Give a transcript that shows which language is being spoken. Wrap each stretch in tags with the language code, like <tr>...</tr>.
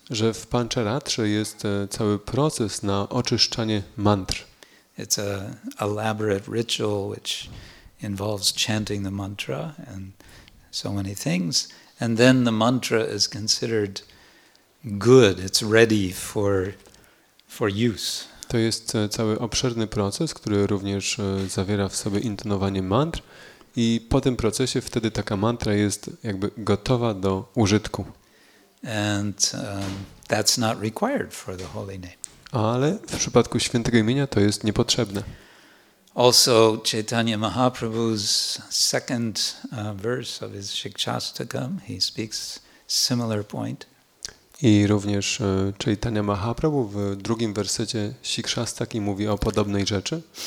<pl>Że w Pancharatrze jest cały proces na oczyszczanie mantr.</pl> <en>It's an elaborate ritual which involves chanting the mantra and so many things. And then the mantra is considered good. It's ready for use.</en> <pl>To jest cały obszerny proces, który również zawiera w sobie intonowanie mantr. I po tym procesie wtedy taka mantra jest jakby gotowa do użytku.</pl> <en>And that's not required for the holy name.</en> <pl>Ale w przypadku świętego imienia to jest niepotrzebne.</pl> <en>Also Chaitanya Mahaprabhu's second verse of his Shikshastakam, he speaks similar point.</en> <pl>I również Chaitanya Mahaprabhu w drugim wersecie Shikshastaki mówi o podobnej rzeczy.</pl>